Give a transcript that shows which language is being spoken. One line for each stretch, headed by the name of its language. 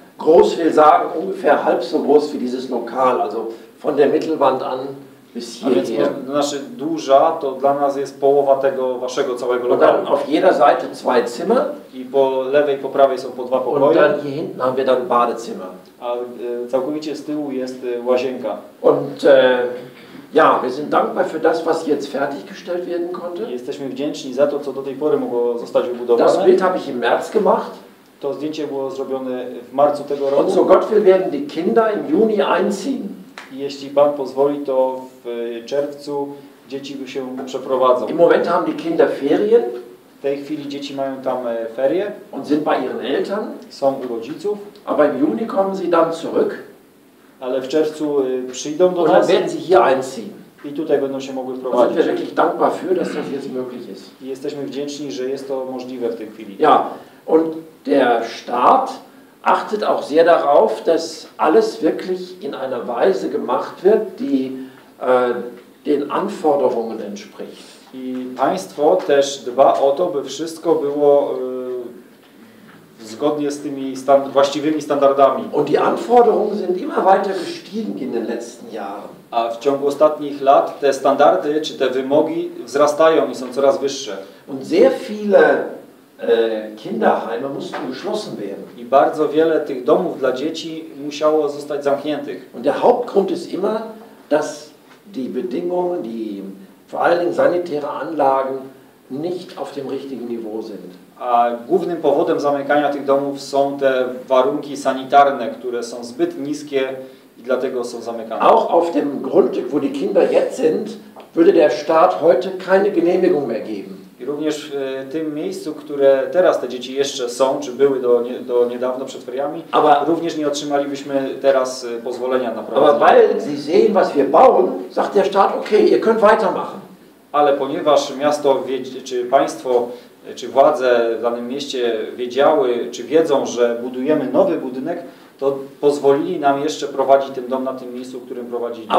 German: Groß will sagen, ungefähr halb so groß wie dieses Lokal. Also von der Mittelwand an bis hier.
Polish: A więc nasze duża to dla nas jest połowa tego waszego całego lokalu.
German: Und dann auf jeder Seite 2 Zimmer.
Polish: I po lewej, po prawej są po 2 pokoje.
German: Und dann hier hinten haben wir dann Badezimmer.
Polish: A całkowicie z tyłu jest łazienka.
German: Und ja, wir sind dankbar für das, was jetzt fertiggestellt werden konnte.
Polish: Jesteśmy wdzięczni za to, co do tej pory mogło zostać wybudowane.
German: Das Bild habe ich im März gemacht.
Polish: To zdjęcie było zrobione w marcu tego roku.
German: Und so Gott will, werden die Kinder im Juni einziehen.
Polish: Jeśli Pan pozwoli, to w czerwcu dzieci się przeprowadzą.
German: Im Moment haben die Kinder Ferien.
Polish: W tej chwili dzieci mają tam ferie.
German: Und sind bei ihren Eltern.
Polish: Są u rodziców.
German: Aber im Juni kommen sie dann zurück.
Polish: Ale w czerwcu przyjdą do nas.
German: Und werden sie hier einziehen.
Polish: I tutaj będą się mogły wprowadzić.
German: Sind wir wirklich dankbar für, dass das jetzt möglich ist.
Polish: I jesteśmy wdzięczni, że jest to możliwe w tej chwili.
German: Ja, und der Staat achtet auch sehr darauf, dass alles wirklich in einer Weise gemacht wird, die den Anforderungen entspricht.
Polish: I państwo też dba o to, by wszystko było zgodnie z tymi właściwymi standardami.
German: Und die Anforderungen sind immer weiter gestiegen in den letzten Jahren.
Polish: A w ciągu ostatnich lat te standardy czy te wymogi wzrastają i są coraz wyższe.
German: Und sehr viele Kinderheime mussten geschlossen werden.
Polish: I bardzo wiele tych domów dla dzieci musiało zostać zamkniętych.
German: Und der Hauptgrund ist immer, dass die Bedingungen, die vor allen Dingen sanitäre Anlagen, nicht auf dem richtigen Niveau sind.
Polish: A głównym powodem zamykania tych domów są te warunki sanitarne, które są zbyt niskie i dlatego są zamykane.
German: Auch auf dem Grundstück, wo die Kinder jetzt sind, würde der Staat heute keine Genehmigung mehr geben.
Polish: I również w tym miejscu, które teraz te dzieci jeszcze są, czy były do niedawno przed feriami,
German: aber,
Polish: również nie otrzymalibyśmy teraz pozwolenia na prowadzenie.
German: Aber weil sie sehen, was wir bauen, sagt der Staat, okay, ihr könnt weitermachen.
Polish: Ale ponieważ miasto, czy państwo, czy władze w danym mieście wiedziały, czy wiedzą, że budujemy nowy budynek, to pozwolili nam jeszcze prowadzić ten dom na tym miejscu, w którym prowadzili.